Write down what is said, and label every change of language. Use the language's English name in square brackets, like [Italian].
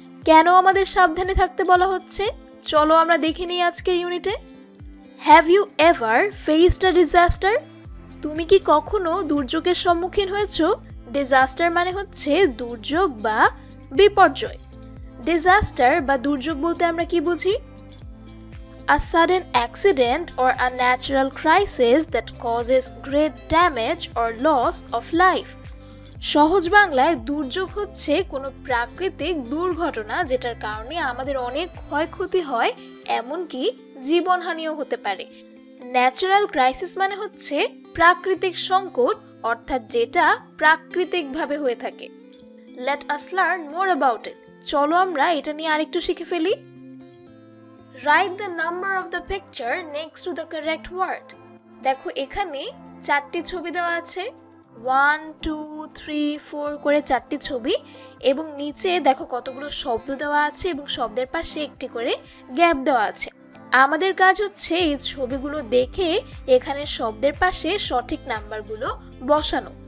[Bangla] কেন আমাদের সাবধানে থাকতে বলা হচ্ছে, চলো আমরা দেখে নিই আজকের ইউনিটে। [English] have you ever faced a disaster, [Bangla] তুমি কি কখনো দুর্যোগের সম্মুখীন হয়েছো? ডিজাস্টার মানে হচ্ছে দুর্যোগ বা বিপর্যয়। ডিজাস্টার বা দুর্যোগ বলতে আমরা কি বুঝি? [English] A sudden accident or a natural crisis that causes great damage or loss of life. [Bangla] সহজ বাংলায় দুর্যোগ হচ্ছে কোনো প্রাকৃতিক দুর্ঘটনা যেটার কারণে আমাদের অনেক ক্ষয়ক্ষতি হয়, এমনকি জীবনহানিও হতে পারে। ন্যাচারাল ক্রাইসিস মানে হচ্ছে প্রাকৃতিক সংকট, অর্থাৎ যেটা প্রাকৃতিকভাবে হয়ে থাকে। [English] let us learn more about it, [Bangla] চলো আমরা এটা নিয়ে আরেকটু শিখে ফেলি। [English] Write the number of the picture next to the correct word. [Bangla] দেখো এখানে চারটি ছবি দেওয়া আছে, 1, 2, 3, 4 করে চারটি ছবি, এবং নিচে দেখো কতগুলো শব্দ দেওয়া আছে এবং শব্দের পাশে একটি করে গ্যাপ দেওয়া আছে। আমাদের কাজ হচ্ছে এই ছবিগুলো দেখে এখানে শব্দের পাশে সঠিক নাম্বারগুলো বসানো।